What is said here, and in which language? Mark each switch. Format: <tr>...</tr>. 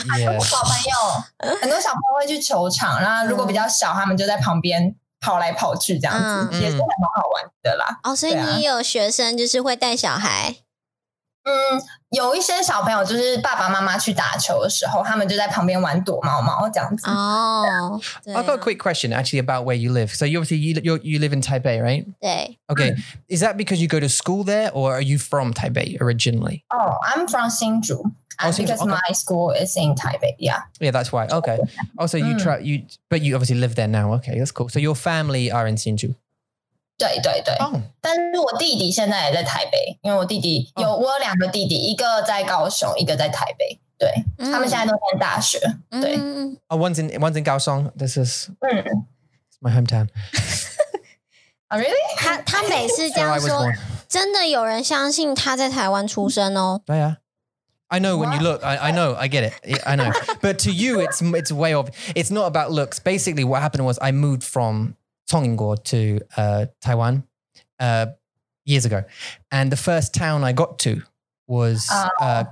<zh>小朋友很多小朋友会去球场那如果比较小他们就在旁边跑来跑去这样子、也是还蛮好玩的啦哦所以你有学生就是会带小孩有一些小朋友就是爸爸妈妈去打球的时候，他们就在旁边玩躲猫猫这样子。哦、</zh> <en>I've got a quick question actually about where you live. So you live in Taipei, right?</en> <zh>对。</zh> <en>Okay, is that because you go to school there, or are you from Taipei originally? Oh, I'm from 新竹。Because my school is in Taipei, yeah. Yeah, that's why. Okay. Also, but you obviously live there now. Okay, that's cool. So your family are in 新竹。</en> <zh>对对对、oh. 但是我弟弟现在也在台北因为我弟弟有、oh. 我有两个弟弟一个在高雄一个在台北对、他们现在都在大学对、</zh> <en>One's in 高雄 This is、 It's my hometown、 oh, Really?</en> <zh>他每次这样说真的有人相信他在台湾出生哦</zh> <en>对啊 I know when you look, I know, I get it, I know But to you it's way off It's not about looks Basically what happened was I moved from Tonginguo to Taiwan years ago. And the first town I got to was Kaohsiung.</en>